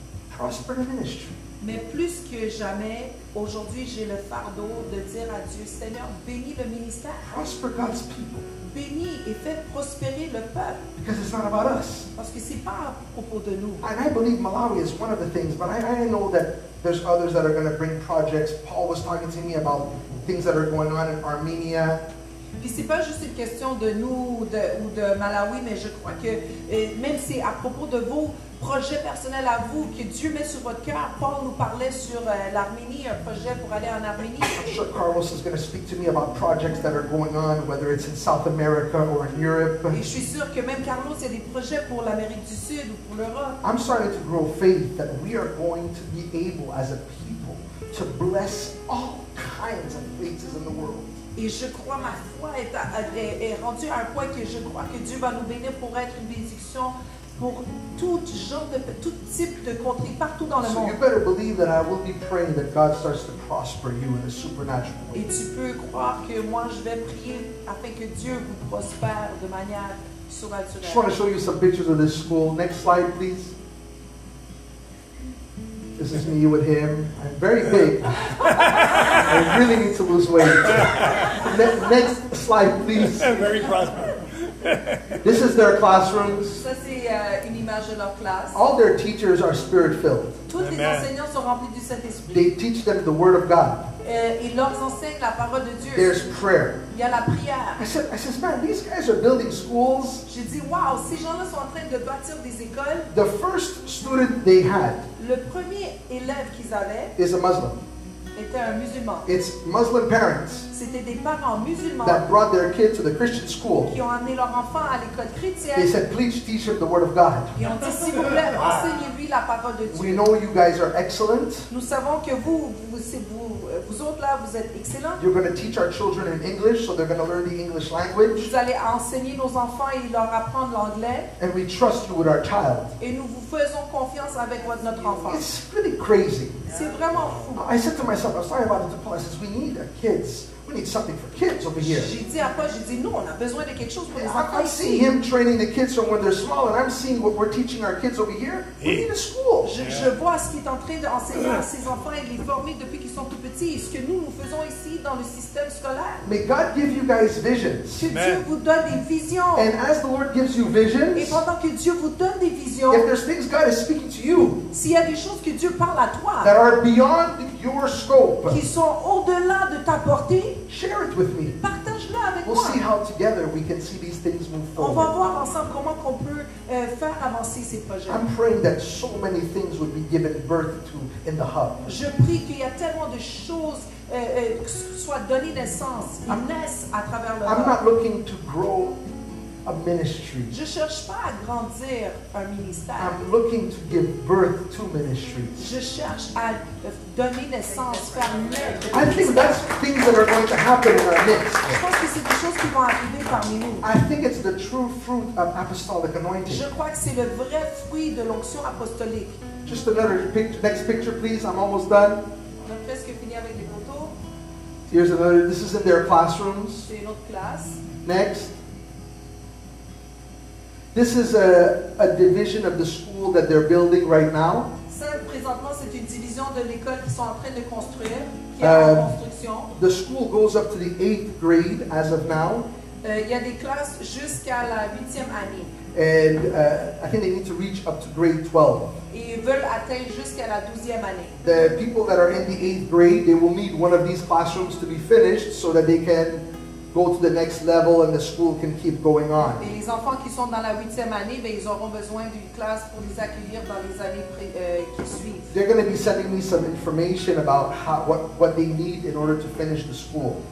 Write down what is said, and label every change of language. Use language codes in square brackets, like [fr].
[en] Prosper the ministry. [fr] Mais plus que jamais, aujourd'hui, j'ai le fardeau de dire à Dieu, Seigneur, bénis le ministère. [en] Prosper God's people. [fr] Bénis et fais prospérer le peuple. [en] Because it's not about us. [fr] Parce que c'est pas à propos de nous. [en] And I believe Malawi is one of the things, but I know that there's others that are going to bring projects. Paul was talking to me about things that are going on in Armenia. [fr] Puis c'est pas juste une question de nous ou de Malawi, mais je crois que même si à propos de vous. Projet personnel à vous que Dieu met sur votre cœur. Paul nous parlait sur l'Arménie, un projet pour aller en Arménie. [en] I'm sure Carlos is going to speak to me about projects that are going on, whether it's in South America or in Europe. [fr] Et je suis sûr que même Carlos il y a des projets pour l'Amérique du Sud ou pour l'Europe. [en] I'm starting to grow faith that we are going to be able, as a people, to bless all kinds of places in the world. [fr] Et je crois, ma foi est rendue à un point que je crois que Dieu va nous bénir pour être une bénédiction. Pour tout genre de tout type de contrées partout dans le [en] so [fr] monde. [en] So you better believe that I will be praying that God starts to prosper you in a supernatural way. [fr] Et tu peux croire que moi je vais prier afin que Dieu vous prospère de manière surnaturelle. [en] Just want to show you some pictures of this school. Next slide, please. This is me with him. I'm very big. I really need to lose weight. Next slide, please. Very prosperous. This is their classrooms. [fr] Ça, c'est, une image de leur classe. [en] All their teachers are spirit-filled. [fr] Tous les enseignants sont remplis du Saint-Esprit. [en] They teach them the word of God. [fr] Ils leur enseignent la parole de Dieu. [en] There's prayer. [fr] Il y a la prière. [en] I said, man, these guys are building schools. [fr] J'ai dit, wow, ces gens-là sont en train de bâtir des écoles. [en] The first student they had [fr] le premier élève qu'ils avaient [en] is a Muslim. [fr] Était un musulman. [en] It's Muslim parents. [fr] C'était des parents musulmans [en] that brought their kids to the Christian school. [fr] Qui ont amené leur enfant à l'école chrétienne. [en] They said, please teach him the word of God. [fr] Ils ont dit, s'il vous plaît, enseignez-lui la parole de Dieu. [en] We know you guys are excellent. [fr] Nous savons que vous autres là, vous êtes excellents. [en] You're going to teach our children in English, so they're going to learn the English language. [fr] Vous allez enseigner nos enfants et leur apprendre l'anglais. [en] And we trust you with our child. [fr] Et nous vous faisons confiance avec notre enfant. [en] It's really crazy. [fr] C'est vraiment fou. [en] I said to myself, I'm sorry about it to Paul. I said, we need our kids. We need something for kids over here. [fr] J'ai dit à Paul, j'ai dit non, on a besoin de quelque chose pour les [en] I see him training the kids from when they're small, and I'm seeing what we're teaching our kids over here. We need a school. [fr] Je vois ce qu'il est en train d'enseigner à ses enfants et les former depuis qu'ils sont tout petits. Ce que nous faisons ici dans le système scolaire. [en] May God give you guys visions. [fr] Que Dieu vous donne des visions. [en] And as the Lord gives you visions. [fr] Et pendant que Dieu vous donne des visions. [en] If there's things God is speaking to you. [fr] S'il y a des choses que Dieu parle à toi. [en] That are beyond your scope. [fr] Qui sont au-delà de ta portée. [en] Share it with me. [fr] Partage-le avec [en] we'll [fr] moi. [en] See how together we can see these things move forward. [fr] On va voir ensemble comment qu'on peut faire avancer ces projets. [en] I'm praying that so many things would be given birth to in the hub. [fr] Je prie qu'il y a tellement de choses soient données naissance, naissent à travers le [en] hub. I'm not looking to grow a ministry. [fr] Je cherche pas à grandir un ministère. [en] I'm looking to give birth to ministries. [fr] Je cherche à donner naissance, faire naître. [en] I think that's things that are going to happen in our midst. [fr] Je pense que c'est des choses qui vont arriver parmi nous. [en] I think it's the true fruit of apostolic anointing. [fr] Je crois que c'est le vrai fruit de l'onction apostolique. [en] Just another picture. Next picture, please. I'm almost done. [fr] On a presque fini avec les photos. [en] Here's another. This is in their classrooms. [fr] C'est une autre classe. [en] Next. This is a division of the school that they're building right now. [fr] Ça, présentement, c'est une division de l'école qu'ils sont en train de construire, qui [en] The school goes up to the 8th grade as of now. [fr] Il y a des classes jusqu'à la 8e année. [en] And I think they need to reach up to grade 12. [fr] Et ils veulent atteindre jusqu'à la 12e année. [en] The people that are in the 8th grade, they will need one of these classrooms to be finished so that they can go to the next level and the school can keep going on. [fr] Et les enfants qui sont dans la 8e année, ben, ils auront besoin d'une classe pour les accueillir dans les années qui suivent. [en] They're going to be sending me some information about how, what they need in order to finish the school.